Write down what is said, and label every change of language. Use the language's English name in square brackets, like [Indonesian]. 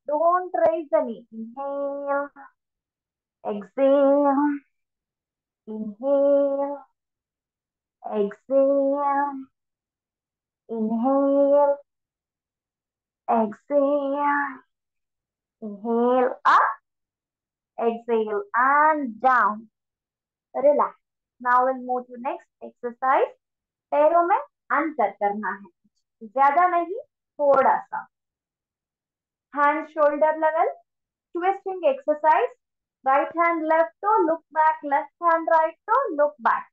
[English] Don't raise the knee. Inhale, exhale, inhale, exhale, inhale, exhale, inhale, up. Exhale and down. Relax. Now we'll move to next exercise. [Hindi] पैरों में अंतर करना है, ज्यादा नहीं, थोड़ा सा. [English] Hand shoulder level. Twisting exercise. Right hand left toe, look back. Left hand right toe, look back.